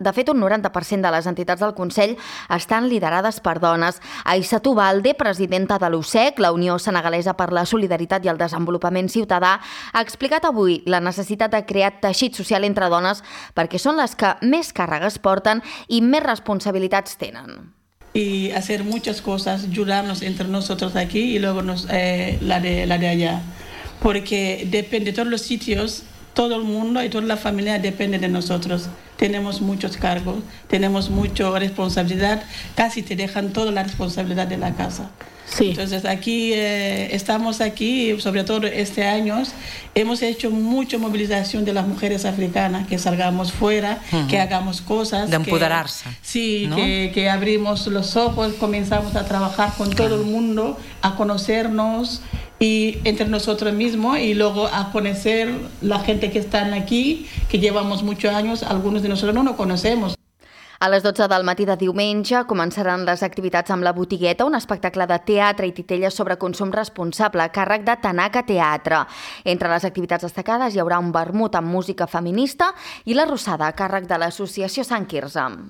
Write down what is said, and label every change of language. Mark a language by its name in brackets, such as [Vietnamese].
[Catalan] De fet, un 90% de les entitats del Consell estan liderades per dones. Aissatou Balde, presidenta de l'USEC, la Unió Senegalesa per la Solidaritat i el Desenvolupament Ciutadà, ha explicat avui la necessitat de crear teixit social entre dones perquè són les que més càrregues porten i més responsabilitats tenen. [Spanish] Y hacer muchas cosas, ayudarnos entre nosotros aquí y luego la de allá. Porque depende de todos los sitios, todo el mundo y toda la familia depende de nosotros. Tenemos muchos cargos, tenemos mucha responsabilidad, casi te dejan toda la responsabilidad de la casa. Sí. Entonces aquí, estamos aquí, sobre todo este año, hemos hecho mucha movilización de las mujeres africanas, que salgamos fuera, que hagamos cosas. De empoderarse. ¿No? que abrimos los ojos, comenzamos a trabajar con todo el mundo, a conocernos y entre nosotros mismos y luego a conocer la gente que están aquí, que llevamos muchos años, algunos de nosotros no conocemos. [Catalan] A les 12 del matí de diumenge començaran les activitats amb La Botigueta, un espectacle de teatre i titelles sobre consum responsable, càrrec de Tanaka Teatre. Entre les activitats destacades hi haurà un vermut amb música feminista i La Rosada, càrrec de l'Associació Sant Quirze.